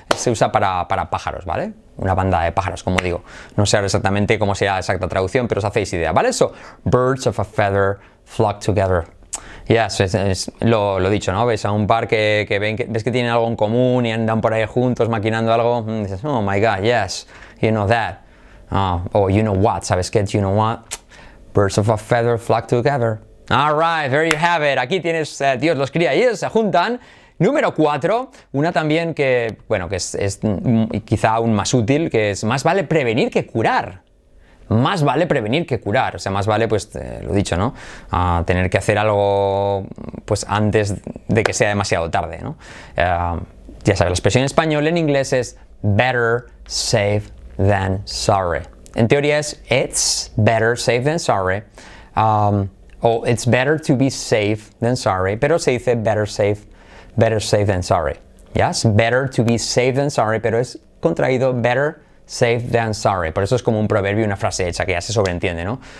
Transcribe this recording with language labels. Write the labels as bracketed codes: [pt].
[es] Se usa para pájaros, ¿vale? Una banda de pájaros, como digo. No sé ahora exactamente cómo sea la exacta traducción, pero os hacéis idea, ¿vale? [en] So, birds of a feather flock together. [es] Yes, es lo dicho, ¿no? Ves a un par que ven que ves que tienen algo en común y andan por ahí juntos maquinando algo. Dices, [en] oh my God, yes, you know that. Oh, you know what, [es] ¿sabes qué? [en] You know what? Birds of a feather flock together. All right, there you have it. [es] Aquí tienes, Dios los cría y ellos se juntan. Número 4, una también que, bueno, que es quizá aún más útil, que es más vale prevenir que curar. Más vale prevenir que curar. O sea, más vale, pues, lo dicho, ¿no? Tener que hacer algo, pues, antes de que sea demasiado tarde, ¿no? Ya sabes, la expresión en español, en inglés es [en] better safe than sorry. [es] En teoría es [en] it's better safe than sorry. It's better to be safe than sorry, [es] pero se dice [en] better safe than sorry. Yes, better to be safe than sorry, [es] pero es contraído [en] better safe than sorry. [es] Por eso es como un proverbio, una frase hecha que ya se sobreentiende, ¿no?